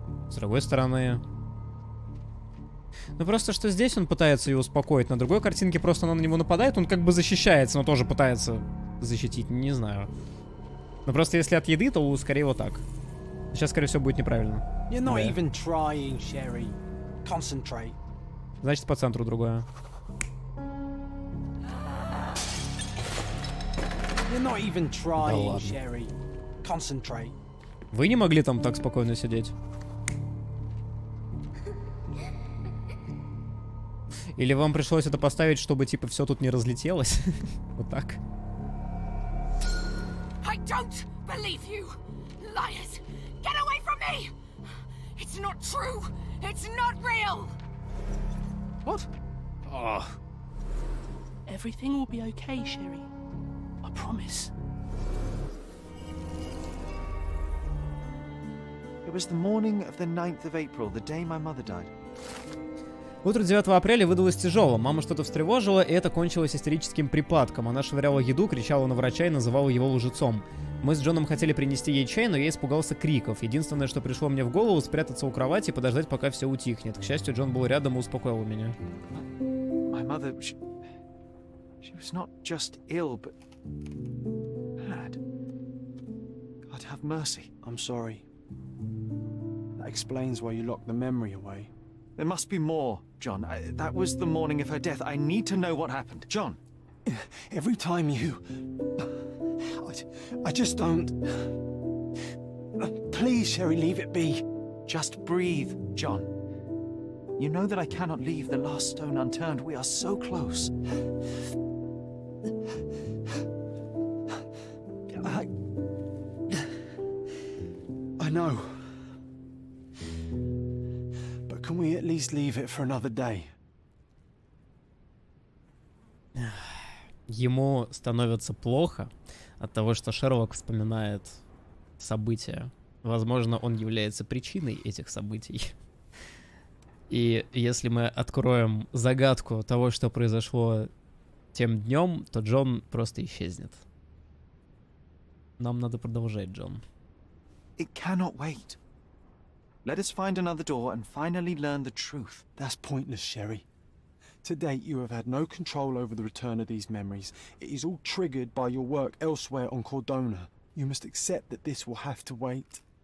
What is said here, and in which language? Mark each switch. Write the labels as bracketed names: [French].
[Russian] С другой стороны. Ну просто, что здесь он пытается ее успокоить. На другой картинке просто она на него нападает. Он как бы защищается, но тоже пытается защитить. Не знаю. Но просто если от еды, то скорее вот так. Сейчас, скорее всего, будет неправильно. [English] You're not even trying, Sherry. Concentrate. [Russian] Значит, по центру другое. [English] You're not even trying, Sherry. Concentrate. [Russian] Вы не могли там так спокойно сидеть? Или вам пришлось это поставить, чтобы типа все тут не разлетелось? Вот так. [English] I don't believe you, liars! Get away from me! It's not true! It's not real! What? Oh. Everything will be okay, Sherry. I promise. It was the morning of the 9th of April, the day my mother died. [Russian] Утро 9 апреля выдалось тяжело. Мама что-то встревожила, и это кончилось истерическим припадком. Она швыряла еду, кричала на врача и называла его лжецом. Мы с Джоном хотели принести ей чай, но я испугался криков. Единственное, что пришло мне в голову, спрятаться у кровати и подождать, пока все утихнет. К счастью, Джон был рядом и успокоил меня. [English] My mother, she was not just ill, but bad. God have mercy. I'm sorry. That explains why you locked the memory away. There must be more, John. That was the morning of her death. I need to know what happened. John! Every time you... I just don't... Please, Sherry, leave it be. Just breathe, John. You know that I cannot leave the last stone unturned. We are so close. I know. Can we at least leave it for another day? [Russian] Ему становится плохо от того, что Шерлок вспоминает события. Возможно, он является причиной этих событий. И если мы откроем загадку того, что произошло тем днем, то Джон просто исчезнет. Нам надо продолжать, Джон. [English] It cannot wait. Let us find another door and finally learn the truth. That's pointless, Sherry. To date, you have had no control over the return of these memories. It is all triggered by your work elsewhere on Cordona. You must accept that this will have to wait.